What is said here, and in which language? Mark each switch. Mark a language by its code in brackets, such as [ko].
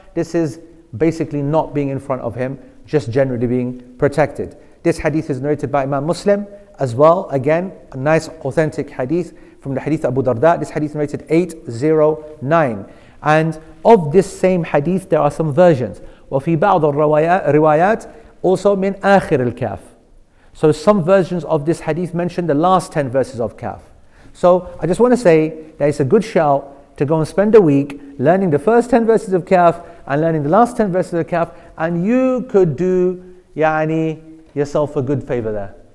[en] This is basically not being in front of him, just generally being protected. This hadith is narrated by Imam Muslim as well. Again, a nice authentic hadith from the hadith of Abu Darda. This hadith narrated 809. And of this same hadith, there are some versions. [ar] وَفِي بَعْضَ الرِّوَايَاتِ [en] also [ar] مِنْ آخِرِ الْكَهْفِ. [en] So some versions of this hadith mention the last 10 verses of Kahf. So I just want to say that it's a good shout to go and spend a week learning the first 10 verses of Kahf and learning the last 10 verses of Kahf, and you could do yani yourself a good favor there.